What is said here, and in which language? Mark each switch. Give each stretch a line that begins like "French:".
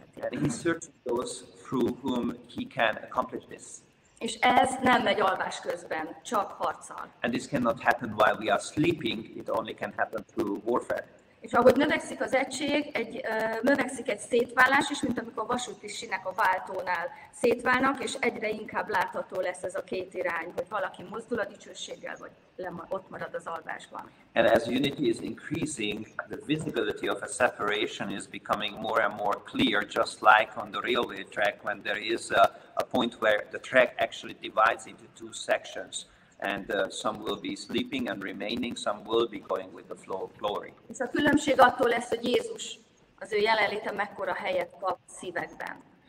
English: and he searches those through whom he can accomplish this.
Hungarian: És ez nem megy alvás közben, csak harccal.
English: And this cannot happen while we are sleeping, it only can happen through warfare.
Hungarian: És ahogy növekszik az egység, egy növekszik egy szétválás is, mint amikor a vasúti sínek a váltónál szétválnak, és egyre inkább látható lesz ez a két irány, hogy valaki mozdul a dicsőséggel, vagy ott marad az alvásban.
English: And as unity is increasing, the visibility of a separation is becoming more and more clear, just like on the railway track when there is a point where the track actually divides into two sections. And some will be sleeping and remaining, some will be going with the flow of glory.
Hungarian: És a különbség attól lesz, hogy Jézus, az ő jelenléte mekkora helyet kap szívekben.